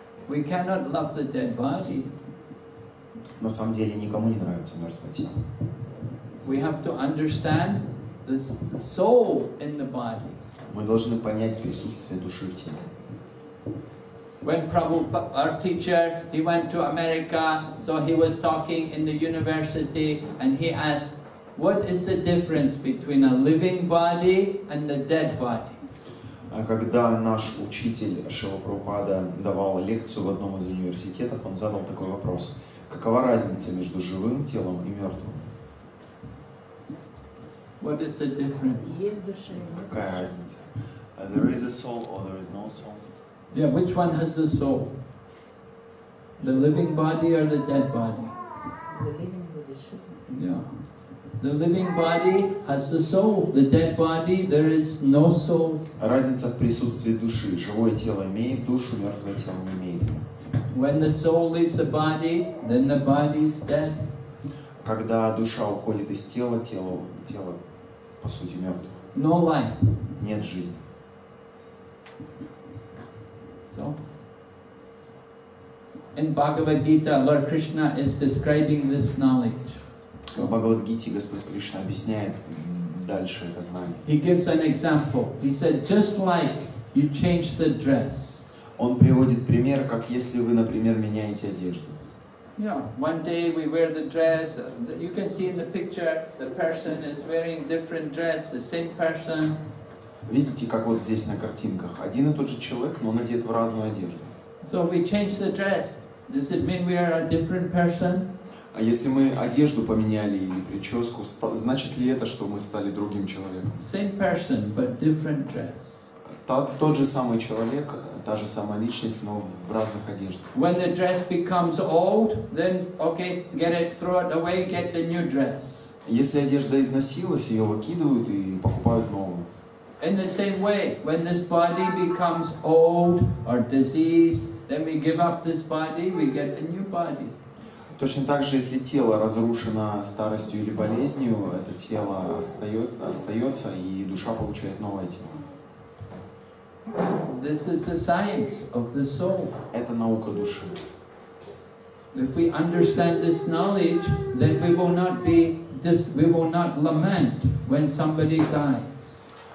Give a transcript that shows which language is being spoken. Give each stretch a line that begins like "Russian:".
English: We cannot love the dead body.
Russian: На самом деле никому не нравится мертвое тело.
English: We have to understand the soul in the body.
Russian: Мы должны понять присутствие души в теле.
English: When Prabhupada, our teacher, he went to America, so he was talking in the university, and he asked, what is the difference between a living body and a dead body?
Russian: Когда наш учитель Шрила Прабхупада давал лекцию в одном из университетов, он задал такой вопрос. Какова разница между живым телом и мертвым?
English: What is the difference?
Russian: Есть душа, нет души. Какая разница?
English: There is a soul or there is no soul? Yeah, which one has the soul? The living body or the dead body? The living body. Yeah. The living body has the soul. The dead body, there is no soul.
Russian: Разница в присутствии души. Живое тело имеет душу, мертвое тело не имеет.
English: When the soul leaves the body, then the body is dead.
Russian: Когда душа уходит из тела, тело по сути мертво.
English: No life.
Russian: Нет жизни.
English: So, in Bhagavad Gita, Lord Krishna is describing this knowledge.
Russian: В Бхагавад Гите Господь Кришна объясняет дальше это знание.
English: He gives an example. He said, just like you change the dress.
Russian: Он приводит пример, как если вы, например, меняете одежду.
English: Yeah, one day we wear the dress. You can see in the picture the person is wearing different dress, the same person.
Russian: Видите, как вот здесь на картинках. Один и тот же человек, но он одет в разную одежду.
English: So we change the dress. Does it mean we are a different person?
Russian: А если мы одежду поменяли или прическу, значит ли это, что мы стали другим человеком?
English: Same person, but different dress.
Russian: Тот же самый человек, та же самая личность, но в разных одеждах.
English: When the dress becomes old, then okay, get it, throw it away, get the new dress.
Russian: Если одежда износилась, ее выкидывают и покупают новую.
English: In the same way, when this body becomes old or diseased, then we give up this body, we get a new body.
Russian: Точно так же, если тело разрушено старостью или болезнью, это тело остается, и душа получает новое тело.
English: This is the science of the soul.
Russian: Это наука души.
English: If we understand this knowledge, then we will not lament when somebody dies.